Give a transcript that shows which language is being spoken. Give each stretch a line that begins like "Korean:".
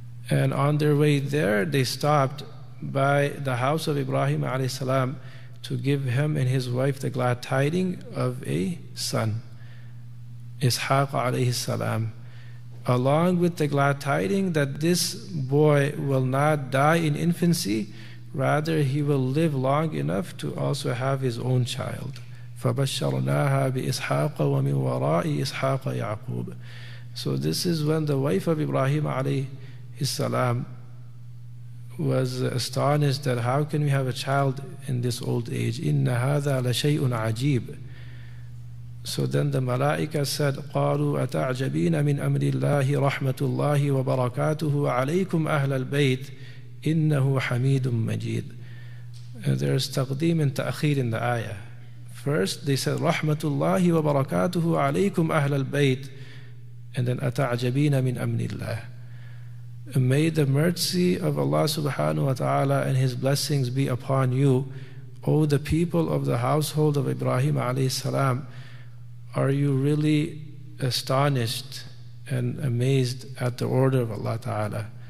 English: And on their way there, they stopped by the house of Ibrahim alayhi salam to give him and his wife the glad tiding of a son, Ishaq alayhi salam, along with the glad tiding that this boy will not die in infancy, rather he will live long enough to also have his own child.
Arabic: فَبَشَّرْنَاهَا بِإِسْحَاقَ وَمِنْ وَرَاءِ إِسْحَاقَ يَعْقُوبَ.
English: So this is when the wife of Ibrahim alayhi salam was astonished that how can we have a child in this old age?
Arabic: إِنَّ هَذَا لَشَيْءٌ عَجِيبٌ.
English: So then the malaika said,
Arabic: قَالُوا أَتَعْجَبِينَ مِنْ أَمْرِ اللَّهِ رَحْمَةُ اللَّهِ وَبَرَكَاتُهُ عَلَيْكُمْ أَهْلَ الْبَيْتِ إِنَّهُ حَمِيدٌ مَجِيدٌ.
English: There is taqdeem and ta'akhir in the ayah. First, they said,
Arabic: رَحْمَةُ اللَّهِ وَبَرَكَاتُهُ عَلَيْكُمْ أَهْلَ الْبَيْتِ.
English: And then,
Arabic: أَتَعْجَبِينَ مِنْ أَمْرِ اللَّهِ.
English: May the mercy of Allah subhanahu wa ta'ala and His blessings be upon you, O the people of the household of Ibrahim alayhi salam. Are you really astonished and amazed at the order of Allah Ta'ala?